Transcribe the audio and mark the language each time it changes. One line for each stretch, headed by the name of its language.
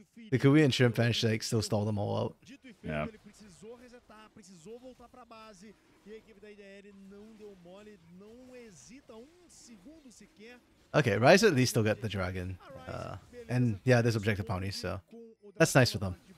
English: The Kui and Shrimp finish, like, still stall them all out. Yeah.
Portuguese: precisou voltar para a base. E a equipe da IDL não deu mole, não hesita um segundo sequer.
English: Okay, Ryze at least still got the dragon. And yeah, there's objective ponies, so that's nice for them.